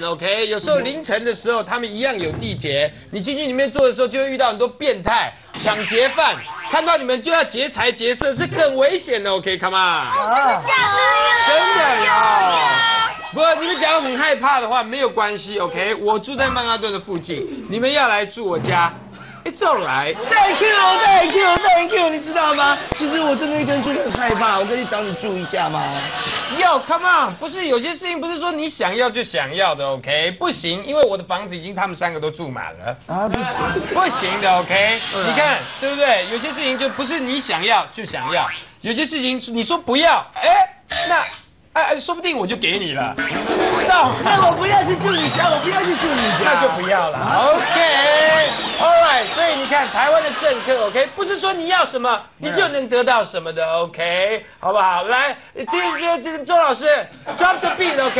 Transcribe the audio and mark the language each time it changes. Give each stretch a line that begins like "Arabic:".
Chinese: OK， 有时候凌晨的时候，他们一样有地铁，你进去里面坐的时候，就会遇到很多变态、抢劫犯，看到你们就要劫财劫色，是很危险的。
English: OK， come
Chinese: on，真的假的？真的啊！不过你们假如很害怕的话，没有关系。OK， 我住在曼哈顿的附近，你们要来住我家。
English: It's alright. Thank you, thank you, thank you.
Chinese: 你知道吗？其实我真的一个人住得很害怕，我可以找你住一下吗
English: ？Yo, come on.
Chinese: 不是有些事情不是说你想要就想要的 ，OK？ 不行，因为我的房子已经他们三个都住满了。啊，不行的 ，OK？你看，对不对？有些事情就不是你想要就想要，有些事情你说不要，哎，那。哎哎，说不定我就给你了，知道吗？那我不要去住你家，我不要去住你家，那就不要了。OK，
English: all right。
Chinese: 所以你看，台湾的政客 ，OK， 不是说你要什么你就能得到什么的 ，OK， 好不好？来，周老师 ，
English: drop the beat，
Chinese: OK，、